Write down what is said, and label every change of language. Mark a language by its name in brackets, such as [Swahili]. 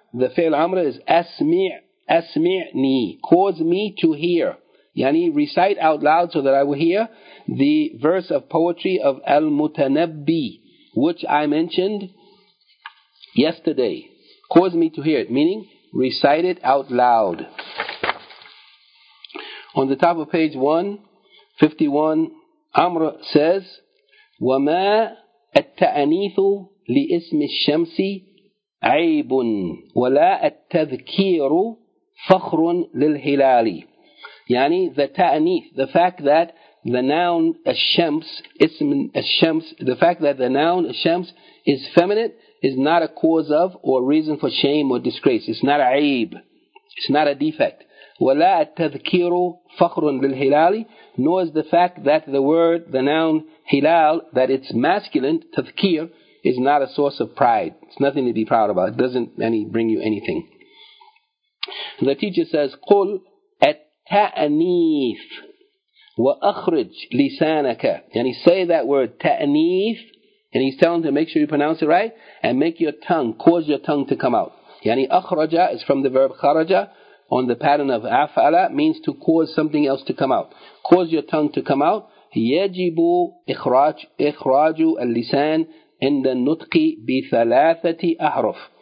[English] The fi'l amr is asmi'ni, cause me to hear. Yani, recite out loud so that I will hear the verse of poetry of Al-Mutanabbi, which I mentioned yesterday. Cause me to hear it, meaning recite it out loud. On the top of page 151, Amr says, [Arabic] وَمَا التَّأَنِيثُ لِإِسْمِ الشَّمْسِ عَيْبٌ وَلَا التَّذْكِيرُ فَخْرٌ لِلْهِلَالِ. [English] Yani, the ta'anith, the fact that the noun ash-shams, ism ash-shams, the fact that the noun ash-shams is feminine is not a cause of or reason for shame or disgrace. It's not a aib. It's not a defect. [Arabic] وَلَا التَّذْكِيرُ فَخْرٌ لِلْهِلَالِ. [English] Nor is the fact that the word, the noun hilal, that it's masculine, tathkir, is not a source of pride. It's nothing to be proud about. It doesn't any bring you anything. The teacher says, [Arabic] قُلْ التَّأْنِيثُ وَأَخْرِجْ لِسَانَكَ. [English] And he say that word, ta'anif, and he's telling to make sure you pronounce it right, and make your tongue, cause your tongue to come out. Yani akhraja is from the verb kharaja, on the pattern of afala, means to cause something else to come out. Cause your tongue to come out. [Arabic] يَجِبُ إِخْرَاجُ اللِّسَانِ عِنْدَ النُّطْقِ بِثَلَاثَةِ أَحْرُفٍ.